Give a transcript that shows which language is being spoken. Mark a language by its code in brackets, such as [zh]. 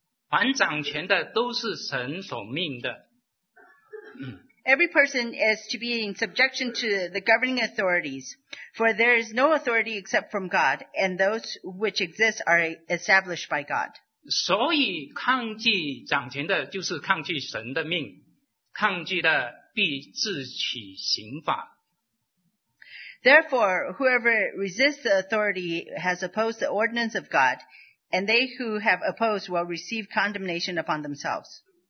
[zh] 他说世上有权柄的人人当顺服他,因为没有权柄不是出于神的,凡掌权的都是神所命的。 [en] Every person is to be in subjection to the governing authorities, for there is no authority except from God, and those which exist are established by God. [zh] 所以抗拒掌权的就是抗拒神的命,抗拒的必自取刑罚。 [en] Therefore, whoever resists the authority has opposed the ordinance of God, and they who have opposed will receive condemnation upon themselves.